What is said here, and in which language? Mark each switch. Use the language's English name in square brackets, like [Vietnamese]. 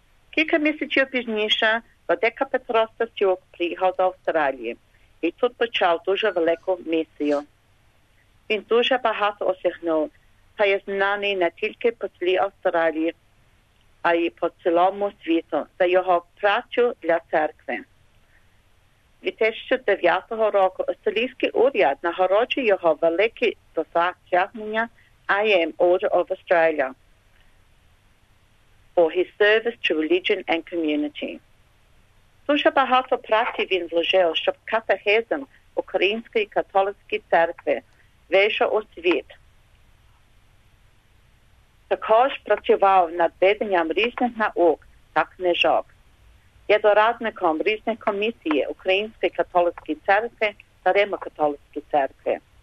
[Ukrainian] Кілька місяців пізніше владика Петро Стасюк приїхав до Австралії і тут почав дуже велику місію. Він дуже багато осягнув та є знаний не тільки по цілій Австралії, а й по цілому світу за його працю для церкви. Від 2009 року австралійський уряд нагороджує його великі досягнення [English] I Am Order of Australia for his service to religion and community. [Ukrainian] Дуже багато праці він вложив, щоб катехизм Української католицької церкви вийшов у світ. Також працював над виданням різних наук та книжок. Є дорадником різних комісій Української католицької церкви та Римо-католицької церкви.